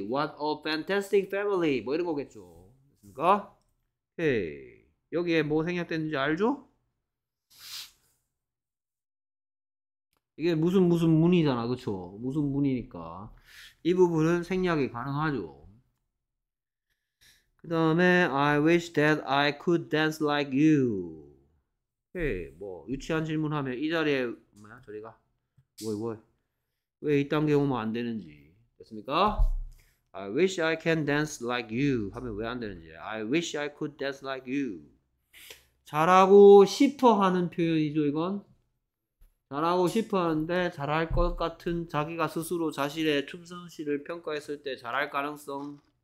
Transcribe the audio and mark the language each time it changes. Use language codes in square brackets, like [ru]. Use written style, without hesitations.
[en] What a fantastic family. [ko] 뭐 이런 거겠죠? 됐습니까? [en] Okay. [ko] 여기에 뭐 생략됐는지 알죠? 이게 무슨 문이잖아, 그쵸? 무슨 문이니까. 이 부분은 생략이 가능하죠. 그 다음에, [en] I wish that I could dance like you. [ko] 오케이, 뭐, 유치한 질문하면, 이 자리에, 뭐야, 저리 가. 뭐, 왜 이딴 게 오면 안 되는지. 됐습니까? [en] I wish I can dance like you. [ko] 하면 왜안 되는지. [en] I wish I could dance like you. [ko] 잘하고 싶어 하는 표현이죠, 이건? 잘하고 싶어 하는데, 잘할 것 같은 자기가 스스로 자신의 춤 솜씨를 평가했을 때 잘할 가능성.